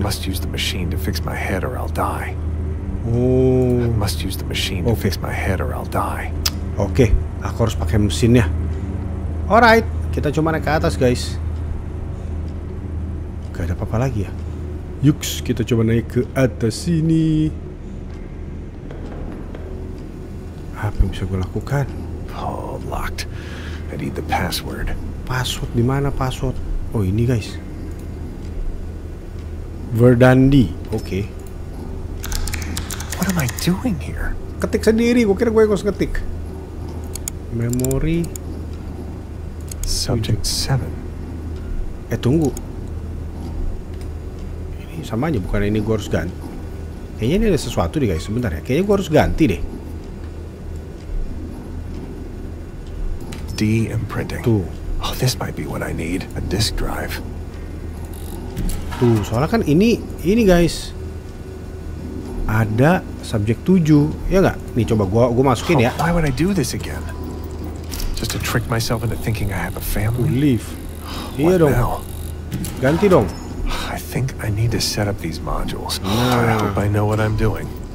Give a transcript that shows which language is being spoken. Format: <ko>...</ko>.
<en>Must use the machine to fix my head or I'll die. Must use the machine to fix my head or I'll die.</en> <id>Oke, aku harus pakai mesinnya. Alright. Kita cuma naik ke atas, guys. Gak ada apa-apa lagi ya. Yuks, kita coba naik ke atas sini. Apa yang bisa gue lakukan?</id> <en>All locked. I need the password.</en> <id>Password di mana password? Oh, ini guys.</id> <en>Verdandi. Okay. What am I doing here?</en> <id>Ketik sendiri. Gua kira gua yang harus ketik.</id> <en>Memory. Subject 7.</en> <id>Tunggu. Ini sama aja, bukan ini gua harus ganti. Kayaknya ini ada sesuatu deh guys, sebentar ya. Kayaknya gua harus ganti deh.</id> <en>D imprinting.</en> <id>Tuh.</id> <en>Oh, this might be what I need, a disk drive.</en> <id>Tuh, soalnya kan ini guys. Ada subjek 7, ya enggak? Nih coba gua masukin ya.</id> <en>Why would I do this again? Just to trick myself into thinking I have a family.</en> <id>Leave. Iya dong. Ganti dong.</id> <en>I think I need to set up these modules. Nah. I hope I know what I'm doing.</en>